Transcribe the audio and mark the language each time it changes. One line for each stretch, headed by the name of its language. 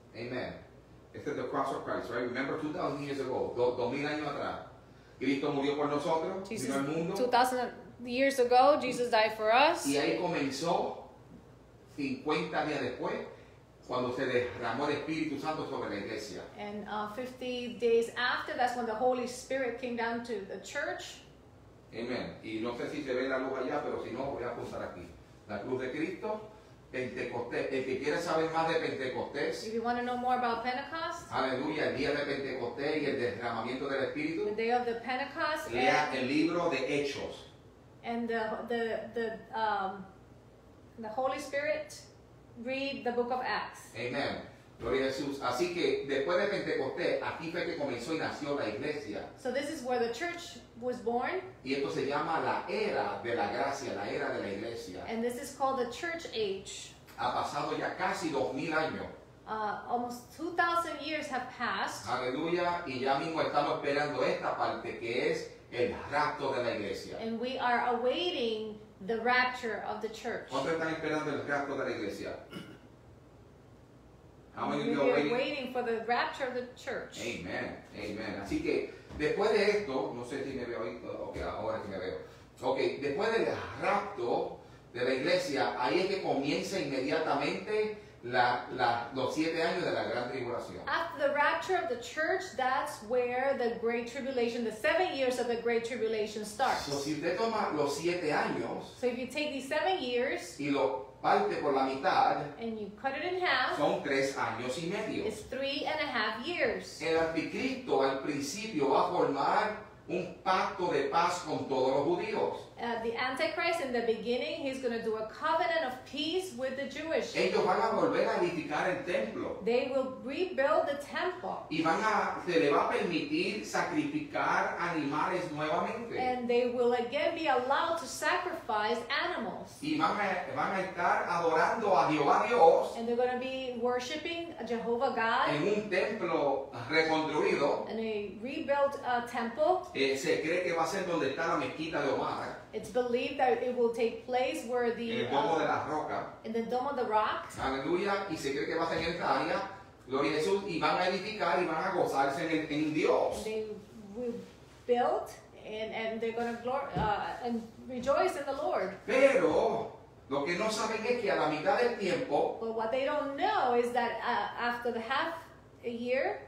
English: Amen. It's the cross of Christ, right? Remember 2,000 years ago,
Spanish: 2,000 años atrás. Cristo murió por nosotros, vino al mundo.
English: 2,000 years ago, Jesus died for us.
Spanish: Y ahí comenzó, 50 días después, cuando se derramó el Espíritu Santo sobre la iglesia.
English: And 50 days after, that's when the Holy Spirit came down to the church. Amen.
Spanish: Y no sé si se ve la luz allá, pero si no, voy a apuntar aquí. La cruz de Cristo, Pentecostés. El que quiera saber más de Pentecostés.
English: If you want to know more about Pentecost.
Spanish: Aleluya, el día de Pentecostés y el derramamiento del Espíritu.
English: The day of the Pentecost.
Spanish: Lea el libro de Hechos.
English: And the Holy Spirit. Read the book of Acts.
Spanish: Amen. Gloria a Jesús. Así que después de Pentecostés, aquí fue que comenzó y nació la iglesia.
English: So this is where the church was born.
Spanish: Y esto se llama la era de la gracia, la era de la iglesia.
English: And this is called the church age.
Spanish: Ha pasado ya casi 2,000 años.
English: Almost 2,000 years have passed.
Spanish: Aleluya. Y ya mismo estamos esperando esta parte que es el rapto de la iglesia.
English: And we are awaiting the rapture of the church.
Spanish: ¿Cuánto están esperando el rapto de la iglesia?
English: We are waiting for the rapture of the church. Amen, amen.
Spanish: Así que después de esto, no sé si me veo ahí, okay, ahora sí me veo. Okay, después del rapto de la iglesia, ahí es que comienza inmediatamente los siete años de la gran tribulación.
English: After the rapture of the church, that's where the great tribulation, the 7 years of the great tribulation starts.
Spanish: So si usted toma los siete años,
English: so if you take these 7 years,
Spanish: y lo parte por la mitad,
English: and you cut it in half,
Spanish: son 3 años y medio.
English: It's 3.5 years.
Spanish: El anticristo al principio va a formar un pacto de paz con todos los judíos.
English: The Antichrist in the beginning, he's going to do a covenant of peace with the Jewish.
Spanish: Ellos van a volver a edificar el templo.
English: They will rebuild the temple.
Spanish: Y se le va a permitir sacrificar animales nuevamente.
English: And they will again be allowed to sacrifice animals.
Spanish: Y van a estar adorando a Jehová Dios.
English: And they're going to be worshiping Jehovah God.
Spanish: En un templo reconstruido.
English: And a rebuilt temple.
Spanish: Se cree que va a ser donde está la mezquita de Omar.
English: It's believed that it will take place where the in the Dome of the Rock.
Spanish: Aleluya, y se cree que va a ser en esta área. Gloria a Jesús, y van a edificar y van a gozarse en Dios.
English: And they will build and they're going to and rejoice in the Lord.
Spanish: Pero lo que no saben es que a la mitad del tiempo.
English: But what they don't know is that after the half a year.